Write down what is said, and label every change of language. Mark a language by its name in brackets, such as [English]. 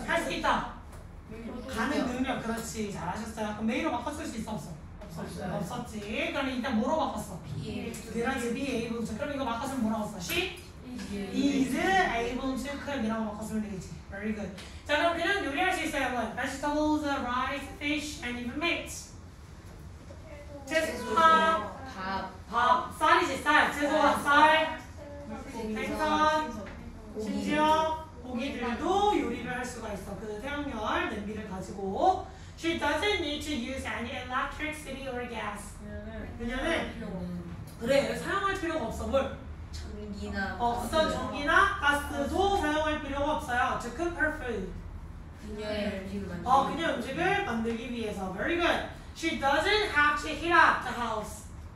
[Korean] 할 수 있다. 가는 능력. 그렇지. 잘하셨어요. 그럼 메이로 바꿨을 수 있어? 없어? 없었어요. 없었지. 그럼 일단 뭐로 바꿨어? [English] Be able to. Be able to. [Korean] 그럼 이거 바꿨으면 뭐라고 써? [English] She is able to cook. [Korean] 이라고 바꿨으면 되겠지. [English] Very good. [Korean] 자 그럼 그냥 요리할 수 있어요. 여러분. [English] Vegetables, rice, fish, and even meat. [Korean] 채소와 밥. 쌀이지 쌀. 채소와 쌀. 생선, 심지어 고기들도 요리를 할 수가 있어. 그 태양열 냄비를 가지고. [English] She doesn't need to use any electricity or gas. [Korean] 그녀는 그래 사용할 필요가 없어. 뭘? 전기나 어떤 전기나 가스도 사용할 필요가 없어요. [English] To cook her food. [Korean] 그녀의 음식을 그녀 음식을 만들기 위해서. [English] Very good. She doesn't have to heat up the house.